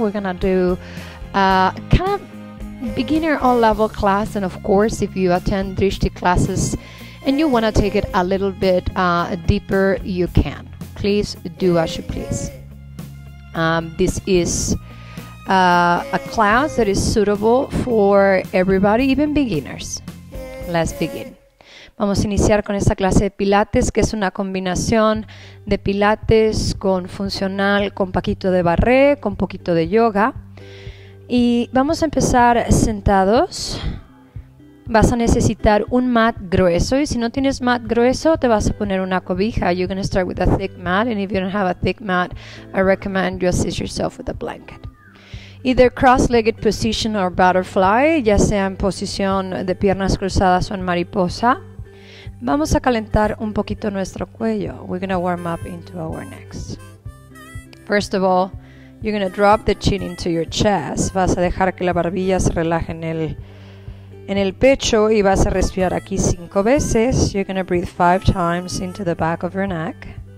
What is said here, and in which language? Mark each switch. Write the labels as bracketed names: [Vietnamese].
[English] We're gonna do kind of beginner all level class, and of course if you attend Drishti classes and you want to take it a little bit deeper, you can. Please do as you please. This is a class that is suitable for everybody, even beginners. Let's begin. [Spanish] Vamos a iniciar con esta clase de Pilates, que es una combinación de Pilates con funcional, con poquito de barre, con poquito de yoga. Y vamos a empezar sentados. Vas a necesitar un mat grueso, y si no tienes mat grueso, te vas a poner una cobija. [English] You're going to start with a thick mat, and if you don't have a thick mat, I recommend you assist yourself with a blanket. Either cross-legged position or butterfly, [Spanish] ya sea en posición de piernas cruzadas o en mariposa. Vamos a calentar un poquito nuestro cuello. [English] We're going to warm up into our necks. First of all, you're going to drop the chin into your chest. [Spanish] Vas a dejar que la barbilla se relaje en el pecho, y vas a respirar aquí 5 veces. [English] You're going to breathe 5 times into the back of your neck.